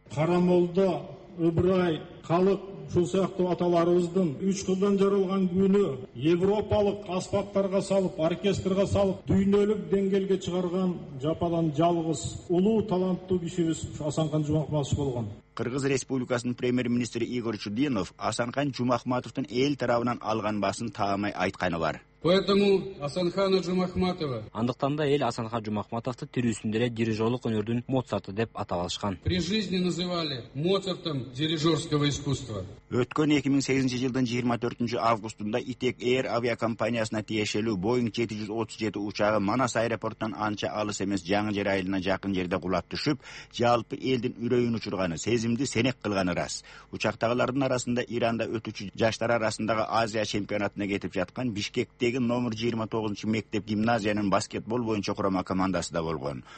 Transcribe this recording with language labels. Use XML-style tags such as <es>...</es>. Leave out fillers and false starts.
<ky>Карамолдо Ыбырай калык ушул сыяктуу аталарыбыздын үч кылдан жаралган күнү европалык аспаптарга салып оркестрга салып дүйнөлүк деңгээлге чыгарган жападан жалгыз улуу таланттуу кишибиз Асанкан Жумакматов болгон. Кыргыз Республикасынын премьер министри Игорь Чудинов Асанкан Жумакматовдун эл тарабынан алган баасын таамай айтканы бар.</ky> <ru>Поэтому Асанхана Жумахматова.</ru> <ky>Андыктан да эл Асанхан Жумахматовду тирүүсүндө эле дирижерлук өнөрдүн Моцарты деп атап алышкан.</ky> <ru>При жизни называли Моцартом дирижерского искусства.</ru> <ky>Өткөн 2008 жылдын 24 августунда Итек Air авиакомпаниясына тиешелүү Boeing 737 учагы Манас аэропортунан анча алыс эмес жаңы жер айылына жакын жерде кулап түшүп, жалпы элдин үрөйүн учурганы, сезимди сенек кылганы рас. Учактагылардын арасында Иранда өтүүчү жаштар арасындагы Азия чемпионатына кетип жаткан Бишкек деги номер 29 мектеп гимназиянын баскетбол боюнча курама командасы да болгон.</ky>